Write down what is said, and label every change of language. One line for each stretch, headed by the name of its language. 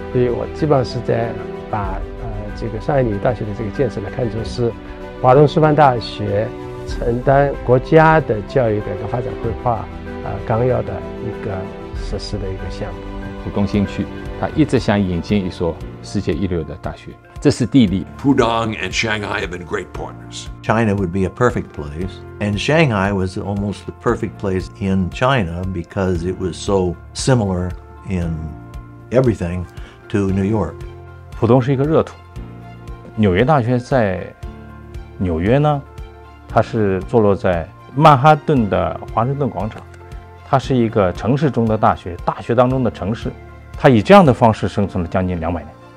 Chinese: 所以我基本上是在把这个上海纽约大学的这个建设来看作是华东师范大学承担国家的教育改革发展规划纲要的一个实施的一个项目。浦东新区他一直想引进一所世界一流的大学，这是地利。
English: Pudong and Shanghai have been great partners. China would be a perfect place, and Shanghai was almost the perfect place in China because it was so similar in everything to New York.
Chinese: 浦东是一个热土，纽约大学在纽约呢，它是坐落在曼哈顿的华盛顿广场，它是一个城市中的大学，大学当中的城市，它以这样的方式生存了将近200年。